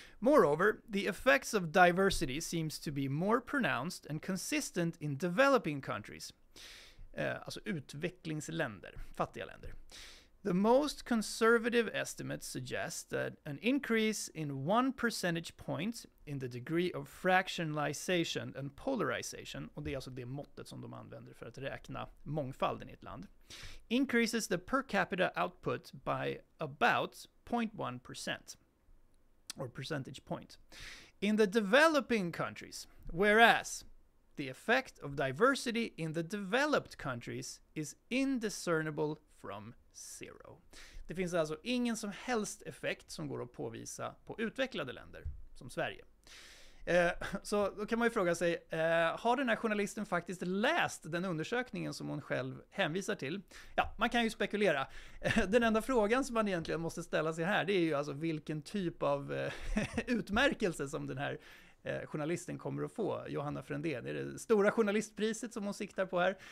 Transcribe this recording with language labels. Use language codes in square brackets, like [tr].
[en] Moreover, the effects of diversity seems to be more pronounced and consistent in developing countries. [sv] Alltså utvecklingsländer, fattiga länder. [en] The most conservative estimates suggest that an increase in one percentage point in the degree of fractionalization and polarization, [sv] och det är alltså det måttet som de använder för att räkna mångfalden i ett land, [en] increases the per capita output by about 0.1%, or percentage point. In the developing countries, whereas the effect of diversity in the developed countries is indiscernible from zero. [sv] Det finns alltså ingen som helst effekt som går att påvisa på utvecklade länder, som Sverige. Så då kan man ju fråga sig, har den här journalisten faktiskt läst den undersökningen som hon själv hänvisar till? Ja, man kan ju spekulera. Den enda frågan som man egentligen måste ställa sig här, det är ju alltså vilken typ av utmärkelse som den här journalisten kommer att få, Johanna Frendén. Det är det stora journalistpriset som hon siktar på här.